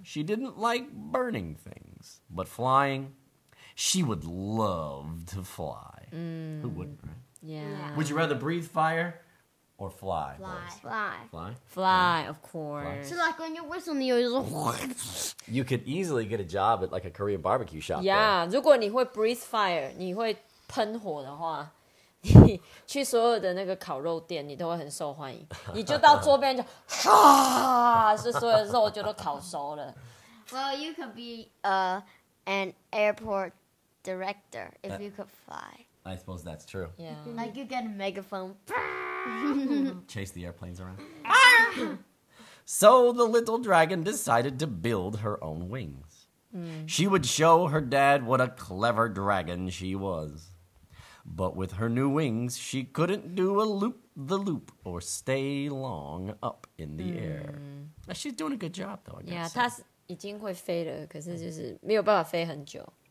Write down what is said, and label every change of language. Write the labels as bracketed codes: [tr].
[en] She didn't like burning things. But flying, she would love to fly. Who wouldn't, right? Yeah. Would you rather breathe fire or fly? Fly, of course. Fly. So like when you whistle in the air, you could easily get a job at like a Korean barbecue shop. [zh] Yeah, 如果你会 [en] breathe fire, [zh] 你会喷火的话, 你去所有的那个烤肉店，你都会很受欢迎。你就到桌边就哈，是所有肉就都烤熟了。 [en] Well, you could be an airport director if you could fly. I suppose that's true. Yeah. Like you get a megaphone. Chase the airplanes around. So the little dragon decided to build her own wings. She would show her dad what a clever dragon she was. But with her new wings, she couldn't do a loop the loop or stay long up in the air. She's doing a good job, though, I guess. [zh] Yeah, 她已经会飞了，可是就是没有办法飞很久。